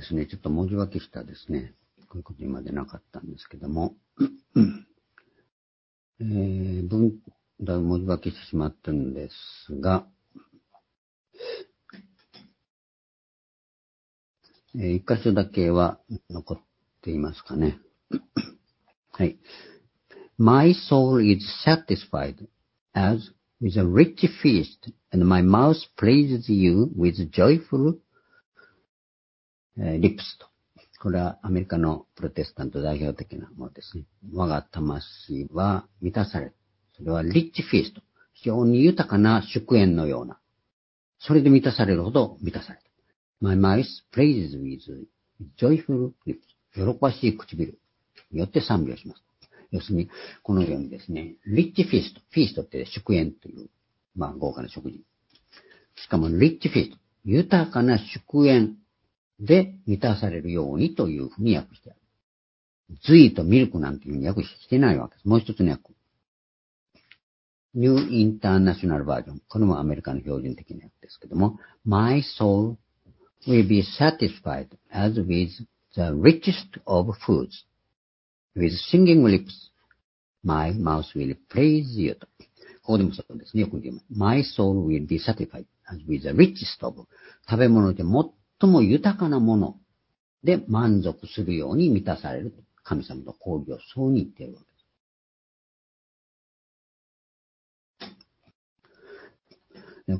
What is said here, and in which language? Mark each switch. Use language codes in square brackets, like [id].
[ja] ですね、ちょっと文字が消したですね、こういうこと今でなかったんですけども、文だ文字化けしてしまったんですが、一箇所だけは残っていますかね。はい。 [en] My soul is satisfied as with a rich feast, and my mouth praises you with joyful lips. [ja] これはアメリカのプロテスタント代表的なものですね。我が魂は満たされ。それはリッチフィースト。非常に豊かな祝宴のような。それで満たされるほど満たされた。 [en] My mouth praises with joyful lips. [ja] 喜ばしい唇によって賛美をします。要するに、このようにですね、リッチフィースト。フィーストって祝宴という、まあ豪華な食事。しかもリッチフィースト。豊かな祝宴で満たされるようにというふうに訳してある。ズイとミルクなんていうふうに訳してないわけです。もう一つの訳。 [en] New International Version. [ja] これもアメリカの標準的なやつですけども、 [en] My soul will be satisfied as with the richest of foods. With singing lips, my mouth will praise you. [ja] ここでもそうですね。よく言います。 [en] My soul will be satisfied as with the richest of [ja] 食べ物で最も豊かなもので満足するように満たされると。神様の講義をそうに言っているわけです。